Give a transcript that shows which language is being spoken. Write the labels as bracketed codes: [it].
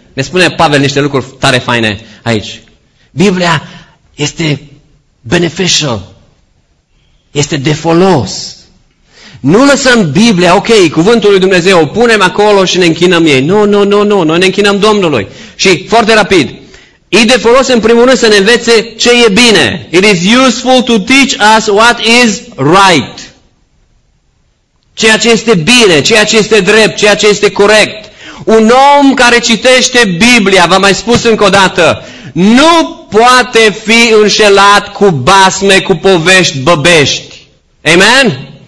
[ro] Ne spune Pavel niște lucruri tare faine aici. Biblia este beneficial. Este de folos. Nu lăsăm Biblia, ok, cuvântul lui Dumnezeu, o punem acolo și ne închinăm ei. Nu, noi ne închinăm Domnului. Și foarte rapid, e de folos în primul rând să ne învețe ce e bine. [en] It is useful to teach us what is right. [ro] Ceea ce este bine, ceea ce este drept, ceea ce este corect. Un om care citește Biblia, v-am mai spus încă o dată, nu poate fi înșelat cu basme, cu povești băbești. Amen?